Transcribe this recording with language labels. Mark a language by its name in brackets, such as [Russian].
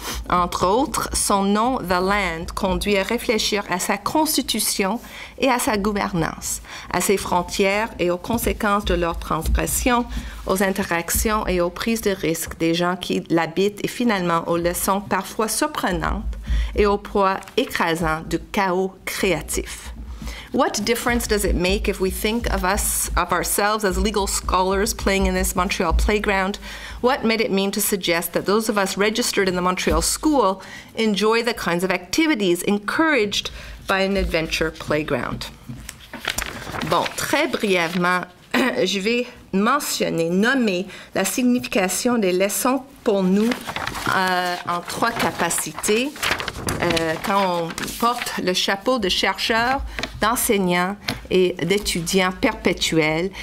[French] Entre autres, son nom « The Land » conduit à réfléchir à sa constitution et à sa gouvernance, à ses frontières et aux conséquences de leurs transgressions, aux interactions et aux prises de risques des gens qui l'habitent et finalement aux leçons parfois surprenantes et au poids écrasant du chaos créatif. [English] What difference does it make if we think of us, of ourselves as legal scholars playing in this Montreal playground? What made it mean to suggest that those of us registered in the Montreal school enjoy the kinds of activities encouraged by an adventure playground? [French] Bon, très brièvement, je vais mentionner, nommer la signification des leçons pour nous en trois capacités. Quand on porte le chapeau de chercheur, d'enseignant et d'étudiant perpétuel.